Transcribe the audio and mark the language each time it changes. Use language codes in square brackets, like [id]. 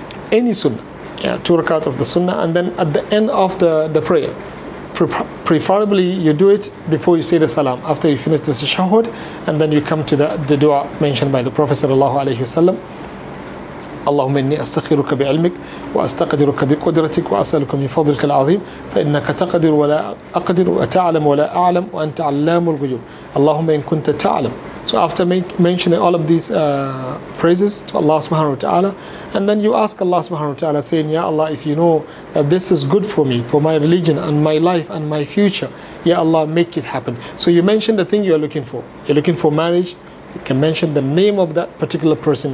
[en] Any sunnah. Yeah, two rakat of the sunnah. And then at the end of the prayer, preferably you do it before you say the salam, after you finish the tashahhud, and then you come to the dua mentioned by the Prophet sallallahu alaihi wasallam. [ar] اللهم إني أستخيرك بعلمك وأستقدرك بقدرتك وأسألك من فضلك العظيم فإنك تقدر ولا أقدر وتعلم ولا أعلم وأنت علام الغيوب اللهم إن كنت تعلم. [en] So after mentioning all of these praises to Allah subhanahu wa ta'ala, and then you ask Allah subhanahu wa ta'ala, saying, Ya Allah, if you know that this is good for me, for my religion and my life and my future, Ya Allah, make it happen. So you mention the thing you are looking for. You're looking for marriage. You can mention the name of that particular person.